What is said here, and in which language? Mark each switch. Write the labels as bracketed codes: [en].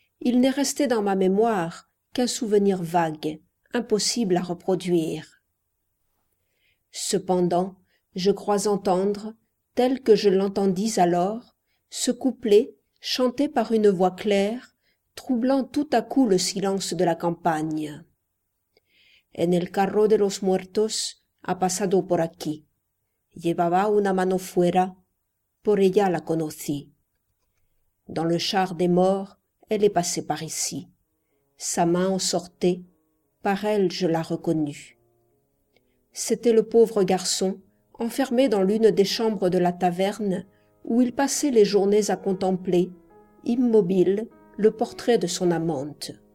[fr] il n'est resté dans ma mémoire qu'un souvenir vague, impossible à reproduire. Cependant, je crois entendre, tel que je l'entendis alors, ce couplet, chanté par une voix claire, troublant tout à coup le silence de la campagne. [es] En el carro de los muertos ha pasado por aquí. Llevaba una mano fuera, por ella la conocí. [fr] Dans le char des morts, elle est passée par ici. Sa main en sortait, par elle je la reconnus. C'était le pauvre garçon, enfermé dans l'une des chambres de la taverne, où il passait les journées à contempler, immobile, le portrait de son amante.